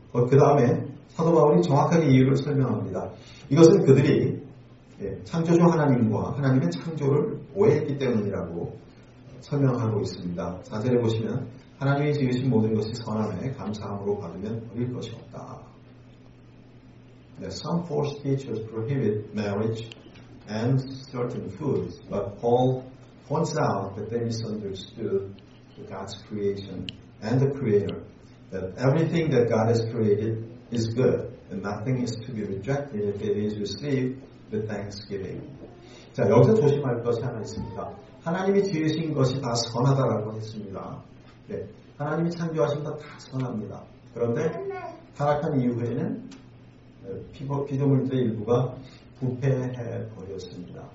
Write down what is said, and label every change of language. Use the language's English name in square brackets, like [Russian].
[Korean] 그 다음에 사도 바울이 정확하게 이유를 설명합니다. 이것은 그들이 창조주 하나님과 하나님의 창조를 오해했기 때문이라고 설명하고 있습니다. 4절에 보시면 하나님이 지으신 모든 것이 선함에 감사함으로 받으면 버릴 것이 없다. [English] Some false teachers prohibit marriage and certain foods, but Paul points out that they misunderstood God's creation and the Creator, that everything that God has created is good, and nothing is to be rejected if it is received with thanksgiving. [Korean] 자, 여기서 조심할 것이 하나 있습니다. 하나님이 지으신 것이 다 선하다라고 했습니다. 네, 하나님이 창조하신 것 다 선합니다. 그런데 타락한 이후에는 피조물들의 일부가 부패해버렸습니다.